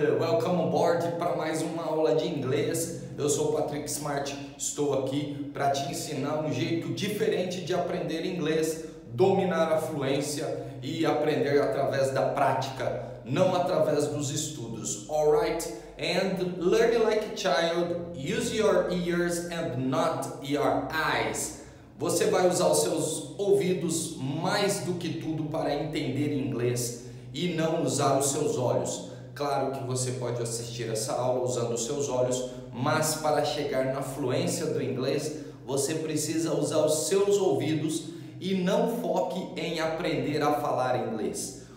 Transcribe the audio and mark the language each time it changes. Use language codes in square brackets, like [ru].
[en] Welcome aboard [pt] para mais uma aula de inglês. Eu sou o Patrick Smart, estou aqui para te ensinar um jeito diferente de aprender inglês, dominar a fluência e aprender através da prática, não através dos estudos. [en] Alright? And learn like a child, use your ears and not your eyes. [pt] Você vai usar os seus ouvidos mais do que tudo para entender inglês. E não usar os seus olhos. Claro que você pode assistir essa aula usando os seus olhos, mas para chegar na fluência do inglês, você precisa usar os seus ouvidos e não foque em aprender a falar inglês.